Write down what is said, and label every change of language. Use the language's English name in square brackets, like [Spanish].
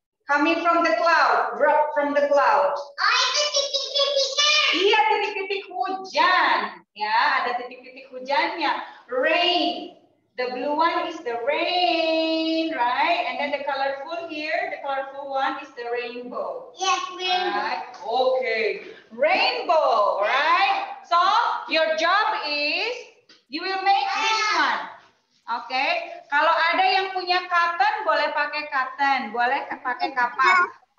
[English] Coming from the cloud, drop from the cloud. Oh, [Indonesian] itu titik-titik hujan. Iya, titik-titik hujan. Ya, ada titik-titik hujannya. [English] Rain. The blue one is the rain, right? And then the colorful here, the colorful one is the rainbow. Yes, rainbow. Right? Okay. Rainbow, right? So, your job is, you will make this one. Oke, okay. [Indonesian] Kalau ada yang punya cotton, boleh pakai cotton, boleh pakai kapas.